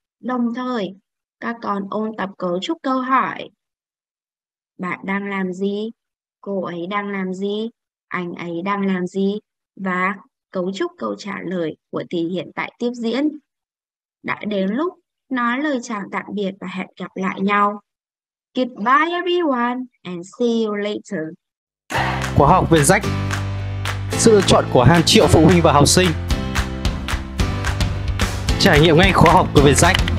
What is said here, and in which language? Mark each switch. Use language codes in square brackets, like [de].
[vi] Đồng thời, các con ôn tập cấu trúc câu hỏi. Bạn đang làm gì? Cô ấy đang làm gì? Anh ấy đang làm gì? Và cấu trúc câu trả lời của thì hiện tại tiếp diễn. Đã đến lúc nói lời chào tạm biệt và hẹn gặp lại nhau. [en] Goodbye everyone and see you later. [vi] Khóa học Việt Rách, sự lựa chọn của hàng triệu phụ huynh và học sinh. Trải nghiệm ngay khóa học của Việt Rách.